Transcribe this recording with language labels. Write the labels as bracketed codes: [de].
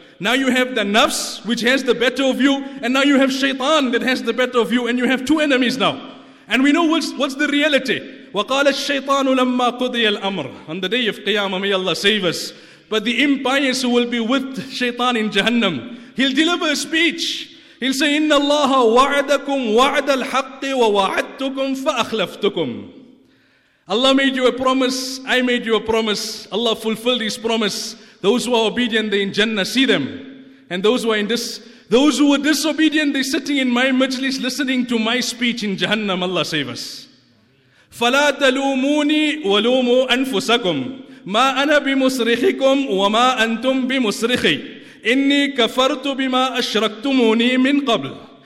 [en] Now you have the nafs, which has the better of you, and now you have shaitan that has the better of you, and you have two enemies now. And we know what's the reality. [ar] وَقَالَ الشَّيْطَانُ لَمَّا قُضِيَ الْأَمْرِ. [en] On the day of Qiyamah, may Allah save us. But the impious who will be with shaitan in Jahannam, he'll deliver a speech. He'll say, [ar] إِنَّ اللَّهَ وَعَدَكُمْ وَعَدَ الْحَقِّ وَوَعَدْتُكُمْ فَأَخْلَفْتُكُمْ. [en] Allah made you a promise, I made you a promise, Allah fulfilled His promise. Those who are obedient, they in Jannah, see them. And those who were disobedient, they're sitting in my majlis listening to my speech in Jahannam. Allah save us. [ar] فَلَا تَلُومُونِي وَلُومُوا أَنفُسَكُمْ مَا أَنَا بِمُسْرِخِكُمْ وَمَا أَنْتُمْ بِمُسْرِخِي إِنِّي كَفَرْتُ بِمَا أَشْرَكْتُمُونِي مِنْ قَبْلِ.